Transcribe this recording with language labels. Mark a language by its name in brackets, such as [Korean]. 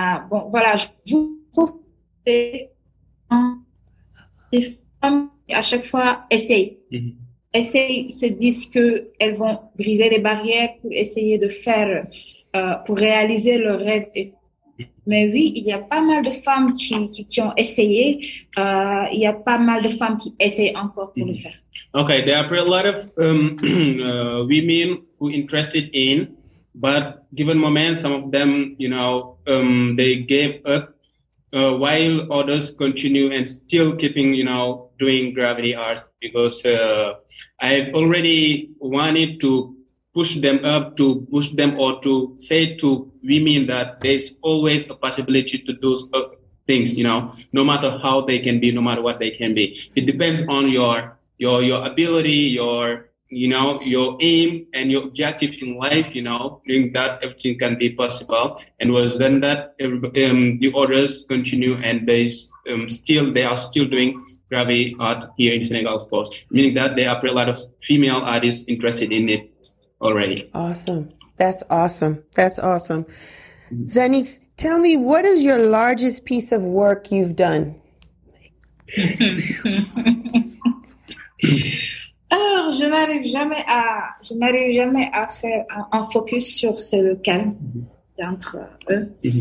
[French] Bon, voilà, je vous trouve des femmes qui à chaque fois essayent. Essayent, se disent qu'elles vont briser les barrières pour essayer de faire, pour réaliser leur rêve et tout. Mais oui, il y a pas mal de femmes qui ont essayé. Il y a pas mal de femmes qui essayent encore pour le faire. [English] Okay, there are a lot of women who are interested in, but given moment, some of them, you know, they gave up while others continue and still keeping, you know, doing graffiti art because I've already wanted to push them up, to boost them or to say to women that there's always a possibility to do things, you know, no matter how they can be, no matter what they can be. It depends on your ability, your, you know, your aim and your objective in life, you know, doing that everything can be possible. And it was then that the orders continue and they are still doing graffiti art here in Senegal, of course, meaning that there are a lot of female artists interested in it already. Awesome. That's awesome. That's awesome. Zeinixx, tell me, what is your largest piece of work you've done? [French] Alors, je n'arrive jamais à faire un focus sur ce local d'entre eux.